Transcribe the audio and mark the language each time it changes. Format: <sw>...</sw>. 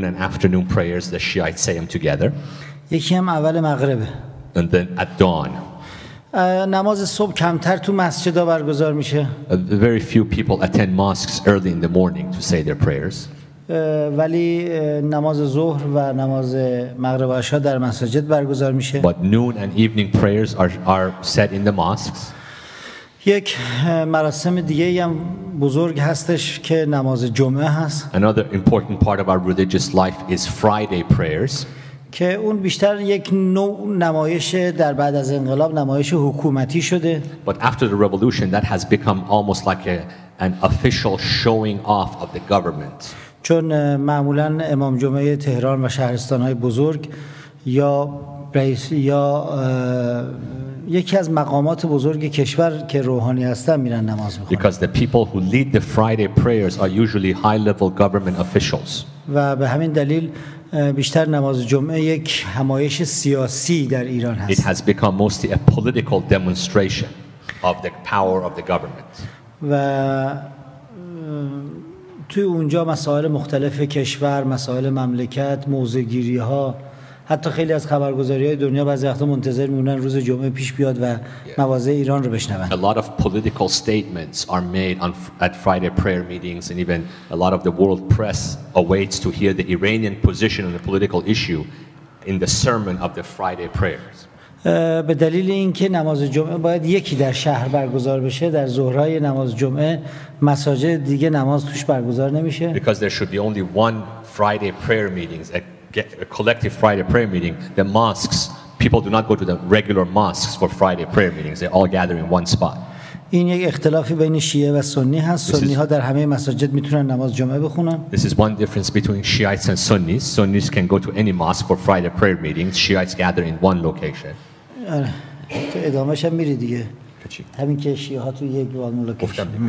<en>noon and afternoon prayers the Shiites say them together</en> <fa>یکی هم اول مغرب</fa> <en>and then at dawn</en> <fa>نماز صبح کمتر تو مسجد برگزار میشه</fa> <en>very few people attend mosques early in the morning to say their prayers</en> <fa>ولی نماز ظهر و نماز مغرب و عشا در مساجد برگزار میشه</fa> <en>but noon and evening prayers are said in the mosques</en> <fa>یک مراسم دیگه هم بزرگ هستش که نماز جمعه هست.</fa> <en>Another important part of our religious life is Friday prayers.</en> <fa>که اون بیشتر یک نوع نمایش در بعد از انقلاب نمایش حکومتی شده.</fa> <en>But after the revolution that has become almost like an official showing off of the government.</en> <fa>چون معمولا امام جمعه تهران و شهرستان‌های بزرگ یا رئیس یا یکی از مقامات بزرگ کشور که روحانی هستن میرن نماز میخونن</fa> <en>because the people who lead the Friday prayers are usually high level government officials</en> <fa>و به همین دلیل بیشتر نماز جمعه یک همایش سیاسی در ایران هست</fa> <en>it has become mostly a political demonstration of the power of the government</en> <fa>و توی اونجا مسائل مختلف کشور مسائل مملکت موضع‌گیری ها حتی خیلی از خبرگزاری‌های دنیا بعضی وقت‌ها منتظر می‌مونن روز جمعه پیش بیاد و مواضع ایران رو بشنون.</fa> <en>A lot of political statements are made at Friday prayer meetings and even a lot of the world press awaits to hear the Iranian position on the political issue in the sermon of the Friday prayers.</en> <fa>به دلیل اینکه نماز جمعه باید یکی در شهر برگزار بشه در ظهرای نماز جمعه مساجد دیگه نماز توش برگزار نمیشه.</fa> <en>Because there should be only one Friday prayer meetings get a collective Friday prayer meeting the mosques people do not go to the regular mosques for Friday prayer meetings they all gather in one spot</en> <fa>این یک اختلافی بین شیعه و سنی هست سنی ها در همه مساجد میتونن نماز جمعه بخونن</fa> <en>this is one difference between Shiites and Sunnis Sunnis can go to any mosque for Friday prayer meetings Shiites gather in one location</en> <fa>تو ادامه شم میری دیگه همین که شیعه ها تو یک</fa> <en>one location</en>